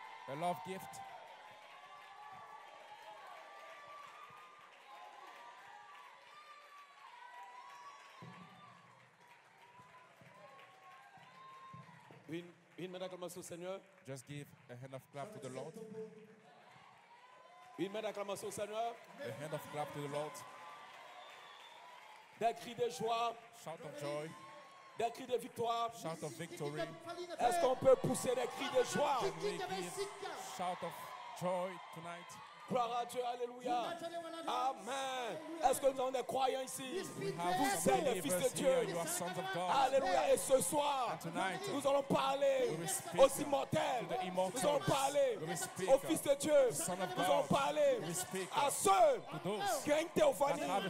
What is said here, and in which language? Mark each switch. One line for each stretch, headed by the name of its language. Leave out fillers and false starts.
English: A love gift.
French: Une main d'acclamation au Seigneur.
English: Just give a hand of clap to the Lord.
French: Une main d'acclamation au Seigneur.
English: A hand of clap to the Lord.
French: Des cris de joie.
English: Shout of joy.
French: Des cris de victoire.
English: Shout of victory.
French: Est-ce qu'on peut pousser des cris de joie?
English: Can we give shout of joy tonight?
French: Gloire à Dieu, alléluia. Amen. Est-ce que nous avons des croyants ici? Vous êtes des fils de Dieu.
English: You are sons of God.
French: Alléluia. Et ce soir,
English: tonight,
French: nous allons parler aux immortels. Nous allons parler aux fils de Dieu. Nous allons parler à ceux qui ont une théophanie.